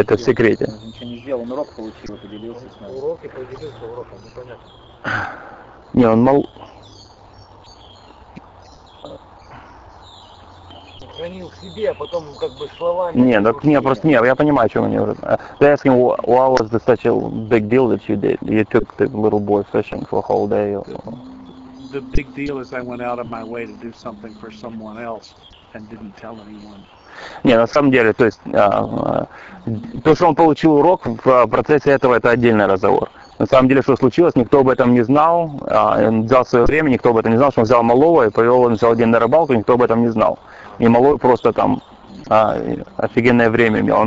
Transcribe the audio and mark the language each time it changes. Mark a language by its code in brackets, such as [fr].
[ru] это в секрете. Ничего не сделал, он урок получил и поделился с нами. Урок и поделился уроком, непонятно. Не, он мол... Он хранил в себе, а потом как бы словами... Не, так не, просто не, я понимаю, о чем они говорят. [en] They ask him, what was the such a big deal that you did? You took the little boy fishing for a whole day? The big deal is I went out of my way to do something for someone else and didn't tell anyone. [ru] Не, на самом деле, то есть то, что он получил урок в процессе этого, это отдельный разговор. На самом деле, что случилось, никто об этом не знал. Он взял свое время, никто об этом не знал, что он взял Малого и повел его целый день на рыбалку, никто об этом не знал. И Малой просто там офигенное время имел.